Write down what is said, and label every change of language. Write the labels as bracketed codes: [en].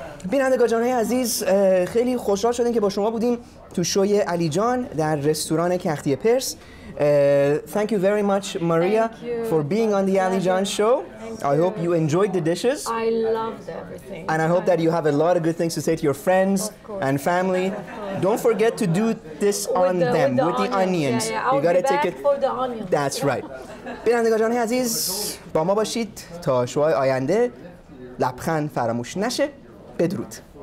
[fa] بینندگان عزیز خیلی خوشحال شدیم که با شما بودیم تو شوی علی جان در رستوران کختی پرس. [en] Thank you very much, Maria, for being on the AliJan Show. I hope you enjoyed the dishes. I loved everything. And I hope that you have a lot of good things to say to your friends and family. Don't forget to do this on them, with the onions. You gotta take it for the onions. That's right. [fa] بینندگان عزیز با ما باشید تا شوهای آینده لبخند فراموش نشه بدرود.